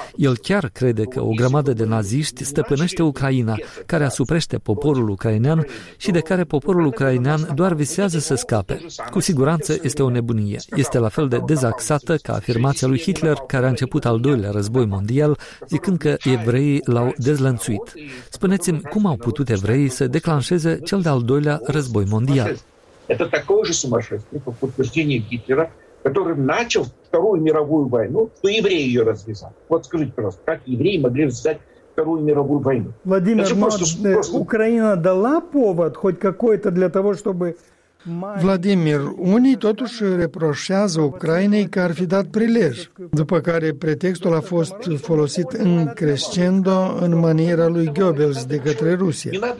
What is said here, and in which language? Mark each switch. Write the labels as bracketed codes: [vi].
[ro] El chiar crede că o grămadă de naziști stăpânește Ucraina, care asuprește poporul ucrainean și de care poporul ucrainean doar visează să scape. Cu siguranță este o nebunie. Este la fel de dezaxată ca afirmația lui Hitler, care a început al doilea război mondial, zicând că evreii l-au dezlănțuit. Spuneți-mi, cum au putut evreii să declanșeze cel de-al doilea război mondial? [ru] Это такое же сумасшествие, как утверждение Гитлера, который начал Вторую мировую войну, что евреи ее развязали. Вот скажите, пожалуйста, как евреи могли развязать Вторую мировую войну? Владимир, Украина дала повод хоть какой-то для того, чтобы... [ro] Vladimir, unii totuși reproșează Ucrainei că ar fi dat prilej, după care pretextul a fost folosit în crescendo în maniera lui Goebbels de către Rusia.